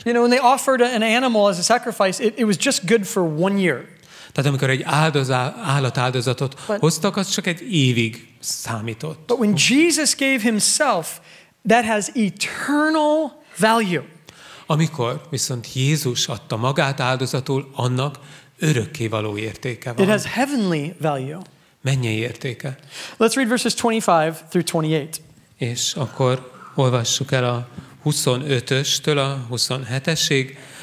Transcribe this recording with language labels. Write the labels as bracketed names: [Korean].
[English] You know, when they offered an animal as a sacrifice, it was just good for one year. [Hungarian] Tehát amikor egy állatáldozatot hoztak, az csak egy évig számított. [English] But when Jesus gave himself, that has eternal value. [Hungarian] Amikor viszont Jézus adta magát áldozatul, annak örökké való értéke van. [English] It has heavenly value. [Hungarian] Mennyei értéke. [English] Let's read verses 25 through 28. [Hungarian] És akkor olvassuk el a 25-östől a 27-esig.